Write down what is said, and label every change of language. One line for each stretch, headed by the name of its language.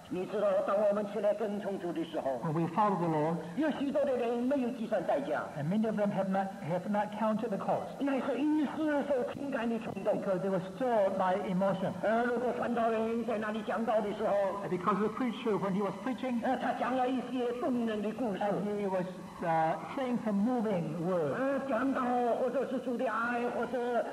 Chinese: 你知道当我们起来跟从主的时候,
English: when we follow the Lord,
Chinese: 有许多的人没有计算代价,
English: and many of them have not counted the cost.
Chinese: 那是一时所情感的冲动,
English: because they were stirred by emotion.
Chinese: 如果传道人在那里讲道的时候,
English: and because the preacher, when he was preaching,
Chinese: 他讲了一些动人的故事,
English: and he was saying some moving words.
Chinese: 讲到或者是主的爱或者